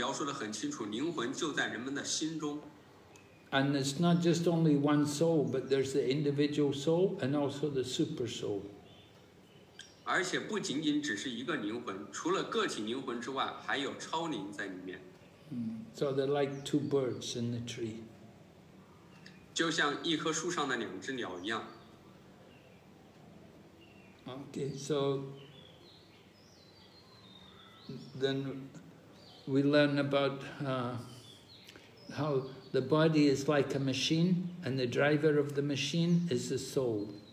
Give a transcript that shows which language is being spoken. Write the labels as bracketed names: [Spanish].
[Chinese] 圣帕帕德在这里也讲述了一个非常重要的一点，就是人们并不知道灵魂在什么地方。实际上在这里描述得很清楚，灵魂就在人们的心中。 [English] And it's not just only one soul, but there's the individual soul and also the super soul. [Chinese] 而且不仅仅只是一个灵魂，除了个体灵魂之外，还有超灵在里面。 [English] So they're like two birds in the tree. [Chinese] 就像一棵树上的两只鸟一样。 [English] Okay, so then we learn about how the body is like a machine, and the driver of the machine is the soul.